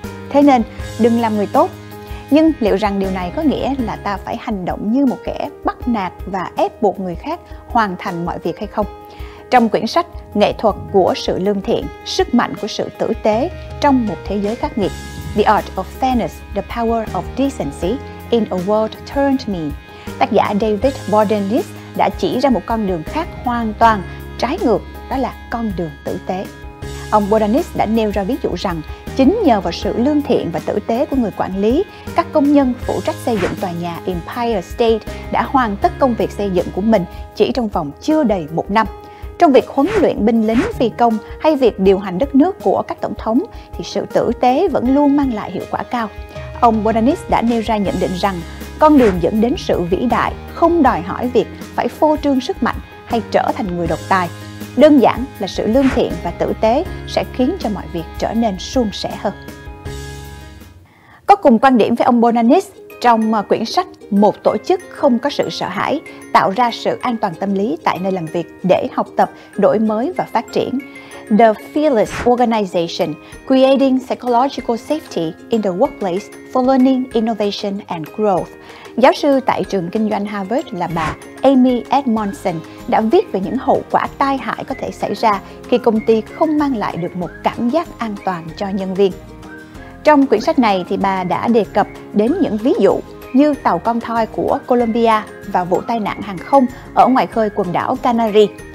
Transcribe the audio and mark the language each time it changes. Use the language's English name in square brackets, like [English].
[Vietnamese] Thế nên đừng làm người tốt. Nhưng liệu rằng điều này có nghĩa là ta phải hành động như một kẻ bắt nạt và ép buộc người khác hoàn thành mọi việc hay không? Trong quyển sách Nghệ thuật của sự lương thiện, sức mạnh của sự tử tế trong một thế giới khắc nghiệt, [English] The Art of Fairness, The Power of Decency in a World Turned Me. [Vietnamese] Tác giả David Bordenis đã chỉ ra một con đường khác hoàn toàn, trái ngược, đó là con đường tử tế. Ông Bordenis đã nêu ra ví dụ rằng, chính nhờ vào sự lương thiện và tử tế của người quản lý, các công nhân phụ trách xây dựng tòa nhà Empire State đã hoàn tất công việc xây dựng của mình chỉ trong vòng chưa đầy một năm. Trong việc huấn luyện binh lính, phi công hay việc điều hành đất nước của các tổng thống, thì sự tử tế vẫn luôn mang lại hiệu quả cao. Ông Bordenis đã nêu ra nhận định rằng, con đường dẫn đến sự vĩ đại không đòi hỏi việc phải phô trương sức mạnh hay trở thành người độc tài. Đơn giản là sự lương thiện và tử tế sẽ khiến cho mọi việc trở nên suôn sẻ hơn. Có cùng quan điểm với ông Bordenis, trong quyển sách Một tổ chức không có sự sợ hãi, tạo ra sự an toàn tâm lý tại nơi làm việc để học tập, đổi mới và phát triển. [English] The Fearless Organization, Creating Psychological Safety in the Workplace for Learning, Innovation and Growth. [Vietnamese] Giáo sư tại trường kinh doanh Harvard là bà Amy Edmondson đã viết về những hậu quả tai hại có thể xảy ra khi công ty không mang lại được một cảm giác an toàn cho nhân viên. Trong quyển sách này thì bà đã đề cập đến những ví dụ như tàu con thoi của Colombia và vụ tai nạn hàng không ở ngoài khơi quần đảo Canary.